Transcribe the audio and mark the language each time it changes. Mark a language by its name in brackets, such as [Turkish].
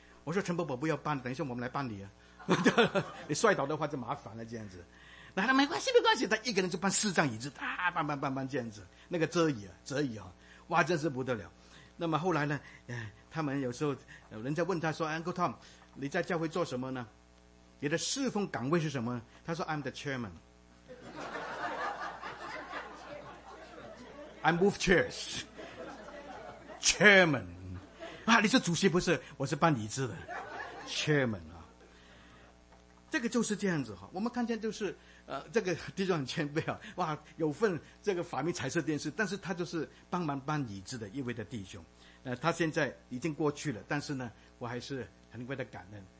[Chinese] 我说陈伯伯不要搬，等一下我们来搬你啊，你摔倒的话就麻烦了这样子。那他没关系没关系，他一个人就搬4张椅子，他搬这样子，那个折椅啊，哇真是不得了。那么后来呢，他们有时候有人在问他说 Uncle Tom 你在教会做什么呢？你的侍奉岗位是什么？ [English] 他说 I'm the chairmanI move chairs, chairman. [Chinese] 啊，你是主席不是？我是搬椅子的 ，chairman 啊。这个就是这样子哈。我们看见就是这个弟兄很谦卑啊，哇，有份这个发明彩色电视，但是他就是帮忙搬椅子的一位的弟兄。他现在已经过去了，但是呢，我还是很为他感恩。